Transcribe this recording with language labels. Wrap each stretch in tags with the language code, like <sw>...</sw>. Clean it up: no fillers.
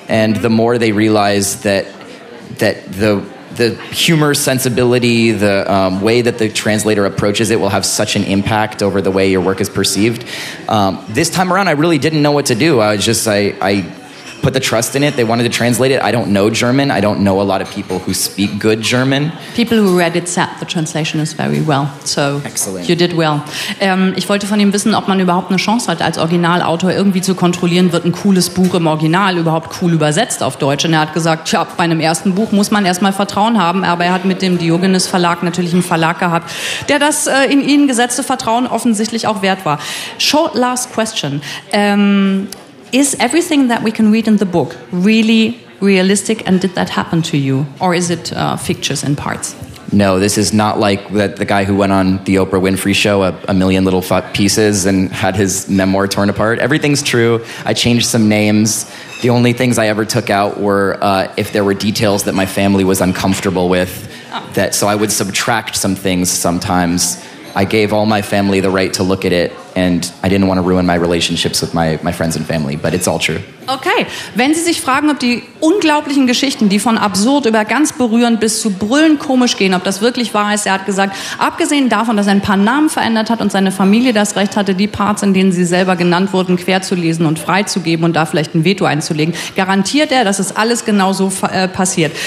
<en>And the more they realize that the humor sensibility, the way that the translator approaches it will have such an impact over the way your work is perceived. This time around, I really didn't know what to do. I put the trust in it. They wanted to translate it. I don't know German. I don't know a lot of people who speak good German. People who read it said the translation is very well. So excellent. You did well.</en> <de>Ich wollte von ihm wissen, ob man überhaupt eine Chance hat, als Originalautor irgendwie zu kontrollieren, wird ein cooles Buch im Original überhaupt cool übersetzt auf Deutsch. Und er hat gesagt, tja, bei einem ersten Buch muss man erstmal Vertrauen haben. Aber er hat mit dem Diogenes Verlag natürlich einen Verlag gehabt, der das in ihn gesetzte Vertrauen offensichtlich auch wert war.</de> <en>Short last question. Is everything that we can read in the book really realistic, and did that happen to you, or is it fictitious in parts? No, this is not like the guy who went on the Oprah Winfrey show, a million little pieces, and had his memoir torn apart. Everything's true. I changed some names. The only things I ever took out were if there were details that my family was uncomfortable with, that so I would subtract some things sometimes. I gave all my family the right to look at it and I didn't want to ruin my relationships with my friends and family, but it's all true.</en> <de>Okay, wenn Sie sich fragen, ob die unglaublichen Geschichten, die von absurd über ganz berührend bis zu brüllend komisch gehen, ob das wirklich wahr ist, er hat gesagt, abgesehen davon, dass er ein paar Namen verändert hat und seine Familie das Recht hatte, die Parts, in denen sie selber genannt wurden, querzulesen und freizugeben und da vielleicht ein Veto einzulegen, garantiert er, dass es alles genauso passiert.</de>